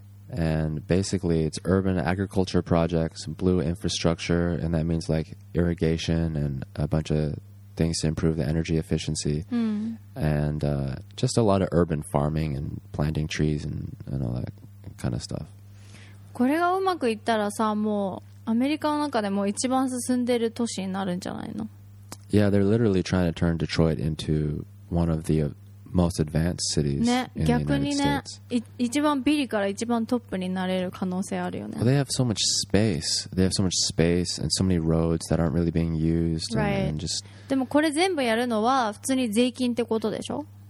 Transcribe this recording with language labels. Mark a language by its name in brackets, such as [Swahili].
[English] And basically, it's urban agriculture projects, blue infrastructure, and that means like irrigation and a bunch of things to improve the energy efficiency, and just a lot of urban farming and planting trees and all that kind of stuff. [Japanese] これがうまくいったらさ、もうアメリカの中でも一番進んでる都市になるんじゃないの? [English] Yeah, they're literally trying to turn Detroit into one of the... most advanced cities、 [Japanese] ね、 [English] in the United States. [Japanese] 逆にね、一番ビリから一番トップになれる可能性あるよね。 [English] Well, they have so much space. They have so much space and so many roads that aren't really being used. Right. And just... [Japanese] でもこれ全部やるのは普通に税金ってことでしょ?